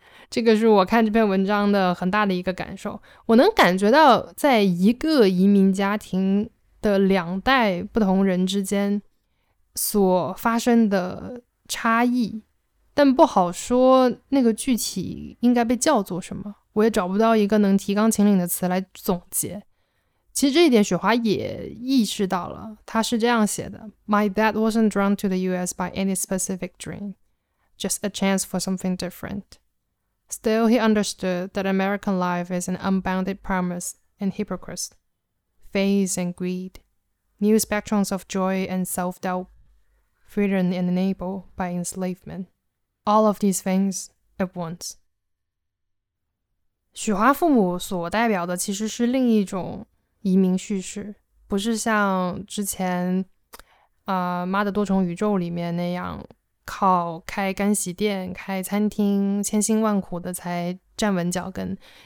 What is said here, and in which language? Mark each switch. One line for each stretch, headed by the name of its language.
Chinese: 这个是我看这篇文章的很大的一个感受。我能感觉到在一个移民家庭的两代不同人之间所发生的差异，但不好说那个具体应该被叫做什么，我也找不到一个能提纲挈领的词来总结。其实这一点雪华也意识到了，他是这样写的
English: My dad wasn't drawn to the US by any specific dream, just a chance for something different. Still, he understood that American life is an unbounded promise and hypocrisy, faith and greed, new spectrums of joy and self-doubt, freedom enabled by enslavement. All of these things at once.
Chinese: 许华父母所代表的其实是另一种移民叙事，不是像之前妈的多重宇宙里面那样靠开干洗店开餐厅千辛万苦的才站稳脚跟。